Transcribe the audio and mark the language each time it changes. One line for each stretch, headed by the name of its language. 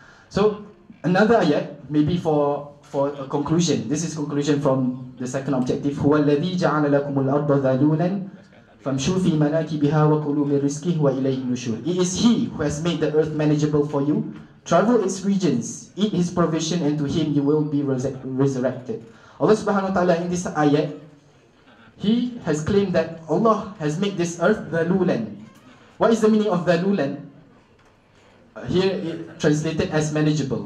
English: So another ayat, maybe for a conclusion. This is conclusion from the second objective.
Arabic: هو الذي جعل لكم الأرض ذلولا فامشوا في مناكبها وكلوا من رزقه وإليه النشور.
English: It is He who has made the earth manageable for you. Travel its regions, eat His provision, and to Him you will be resurrected. Allah subhanahu wa ta'ala in this ayat, He has claimed that Allah has made this earth ذلولا. What is the meaning of ذلولا? Here it translated as manageable.